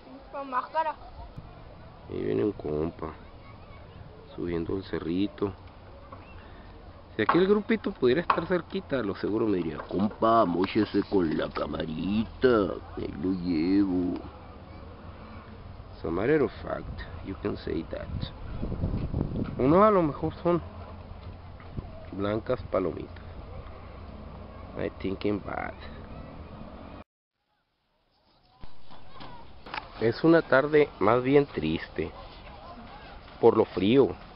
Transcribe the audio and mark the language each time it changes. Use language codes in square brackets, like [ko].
[es] Con máscara. Ahí viene un compa, subiendo el cerrito. Si aquí el grupito pudiera estar cerquita, lo seguro me diría: compa, móchese con la camarita, ahí lo llevo. [en] As a matter of fact, you can say that. [es] Uno a lo mejor son blancas palomitas. [en] I'm thinking bad. [es] Es una tarde más bien triste por lo frío.